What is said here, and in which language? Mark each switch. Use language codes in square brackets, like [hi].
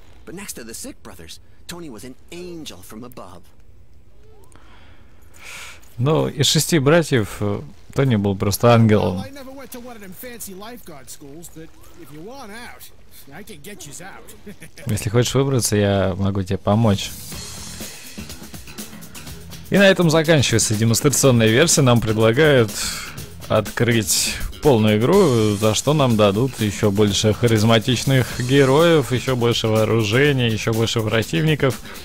[en] But next to the Sick brothers, Tony was an angel from above. [ru] Ну, из шести братьев Тони был просто ангелом. [en] Well, I never went to one of them fancy lifeguard schools, but if you want out... I can get you out. [ru] Если хочешь выбраться, я могу тебе помочь. И на этом заканчивается демонстрационная версия. Нам предлагают открыть полную игру, за что нам дадут еще больше харизматичных героев, еще больше вооружения, еще больше противников.